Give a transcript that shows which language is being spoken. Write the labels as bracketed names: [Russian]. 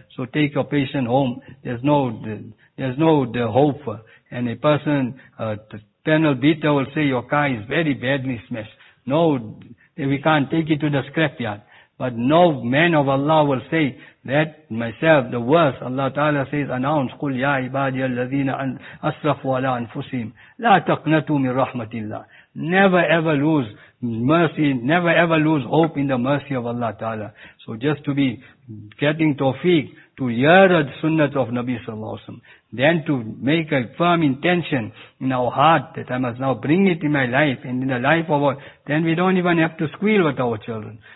[English] So take your patient home. There's no hope. And a person, the panel beater will say, your car is very badly smashed. No, we can't take it to the scrapyard. But no man of Allah will say that myself, the worst. Allah Ta'ala says, announce, [Arabic] قُلْ يَا عِبَادِيَ الَّذِينَ أَسْرَفُوا عَلَىٰ أَنفُسِهِمْ لَا تَقْنَتُوا مِنْ رَحْمَةِ اللَّهِ. [English] Never ever lose mercy, never ever lose hope in the mercy of Allah Ta'ala. So just to be getting tawfiq, to hear the sunnah of Nabi sallallahu alaihi wasallam, then to make a firm intention in our heart that I must now bring it in my life and in the life of our, then we don't even have to squeal with our children.